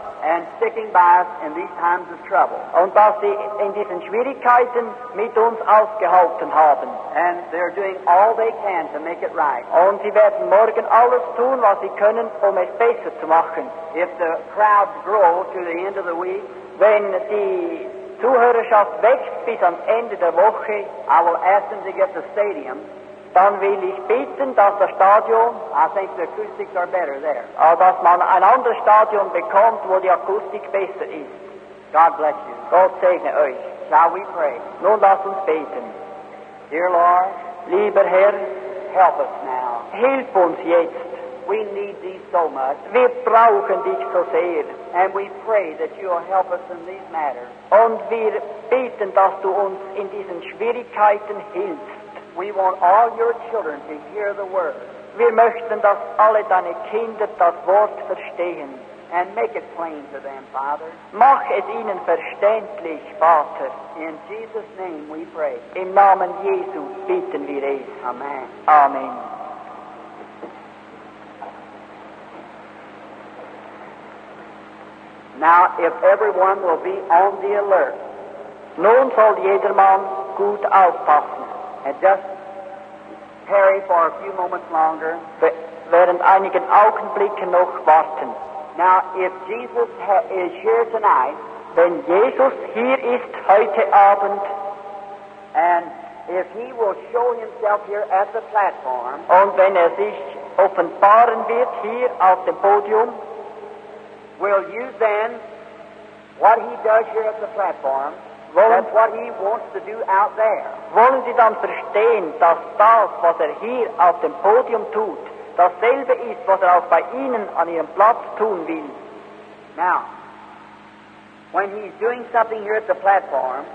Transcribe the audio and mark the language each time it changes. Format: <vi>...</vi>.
<en>And sticking by us in these times of trouble.</en> <de>Und dass sie in diesen Schwierigkeiten mit uns ausgehalten haben.</de> <en>And they're doing all they can to make it right.</en> <de>Und sie werden morgen alles tun, was sie können, um es besser zu machen.</de> <en>If the crowds grow to the end of the week,</en> <de>wenn die Zuhörerschaft wächst bis am Ende der Woche,</de> <en>I will ask them to get the stadium.</en> <de>Dann will ich bitten, dass das Stadion,</de> <en>I think the acoustics are better there.</en> <de>Dass man ein anderes Stadion bekommt, wo die Akustik besser ist.</de> <en>God bless you.</en> <de>Gott segne euch.</de> <en>Shall we pray?</en> <de>Nun lasst uns beten.</de> <en>Dear Lord,</en> <de>lieber Herr,</de> <en>help us now.</en> <de>Hilf uns jetzt.</de> <en>We need thee so much.</en> <de>Wir brauchen dich so sehr.</de> <en>And we pray that you will help us in these matters.</en> <de>Und wir beten, dass du uns in diesen Schwierigkeiten hilfst.</de> <en>We want all your children to hear the word.</en> <de>Wir möchten, dass alle deine Kinder das Wort verstehen.</de> <en>And make it plain to them, Father.</en> <de>Mach es ihnen verständlich, Vater.</de> <en>In Jesus' name we pray.</en> <de>Im Namen Jesu bitten wir es.</de> <en>Amen.</en> <de>Amen.</de> <en>Now, if everyone will be on the alert.</en> <de>Nun soll jedermann gut aufpassen.</de> <en>And just tarry for a few moments longer.</en> <de>Während einigen Augenblicken noch warten.</de> <en>Now, if Jesus is here tonight,</en> <de>wenn Jesus hier ist heute Abend,</de> <en>and if he will show himself here at the platform,</en> <de>und wenn er sich offenbaren wird hier auf dem Podium,</de> <en>will you then, what he does here at the platform, than what he wants to do out there.</en> <de>Wollen Sie dann verstehen, dass das, was hier auf dem Podium tut, dasselbe ist, was auch bei Ihnen an Ihrem Platz tun will?</de> <en>Now, when he's doing something here at the platform,</en>